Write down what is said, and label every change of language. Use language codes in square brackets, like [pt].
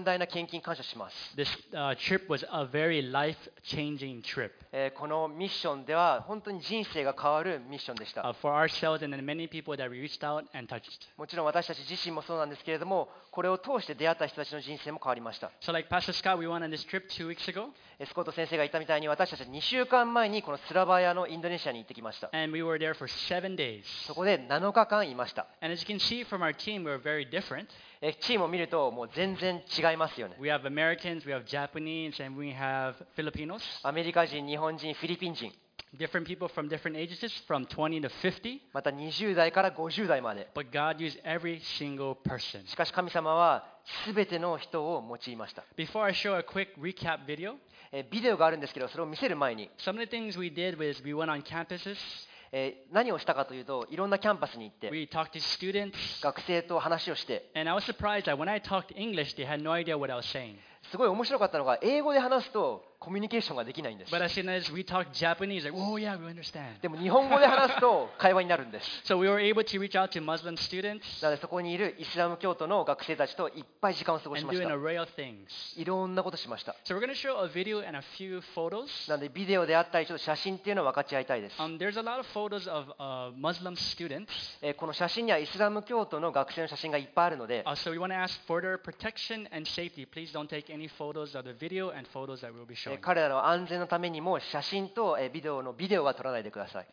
[en] This trip was a very life-changing trip. For ourselves and the many people that we reached out and touched. [ja] もちろん私たち自身もそうなんですけれども、これを通して出会った人たちの人生も変わりました。 [en] So like Pastor Scott, we went on this trip 2 weeks ago. [ja] スコット先生が言ったみたいに私たち2週間前にこのスラバヤのインドネシアに行ってきました。 [en] And we were there for 7 days. [ja] そこで7日間いました。 [en] And as you can see from our team, we're very different. [ja] チームを見るともう全然違いますよね。 [en] We have Americans, we have Japanese, and we have Filipinos. [ja] アメリカ人、日本人、フィリピン人。 [en] Different people from different ages, from 20 to 50. [ja] また20代から50代まで。 [en] But God used every single person. [ja] しかし神様は全ての人を用いました。 [en] Before I show a quick recap video, [ja] ビデオがあるんですけど、それを見せる前に、 [en] Some of the things we did was we went on campuses. [ja] 何をしたかというと、いろんなキャンパスに行って、 [en] We talked to students. [ja] 学生と話をして、 [en] And I was surprised that when I talked English, they had no idea what I was saying. [ja] すごい面白かったのが、英語で話すとコミュニケーションができないんです。 [en] But as soon as we talked Japanese, like, oh yeah, we understand. [ja] でも日本語で話すと会話になるんです。 [en] So we were able to reach out to Muslim students. [ja] なのでそこにいるイスラム教徒の学生たちといっぱい時間を過ごしました。 [en] And doing a array of things. [ja] いろんなことしました。 [en] So we're going to show a video and a few photos. [ja] なのでビデオであったりちょっと写真っていうのを分かち合いたいです。 [en] There's a lot of photos of Muslim students. [ja] この写真にはイスラム教徒の学生の写真がいっぱいあるので。 [en] So we want to ask for their protection and safety. Please don't take any photos of the video and photos that we'll be showing. [ja] 彼らの安全のためにも写真とビデオのビデオは撮らないでください。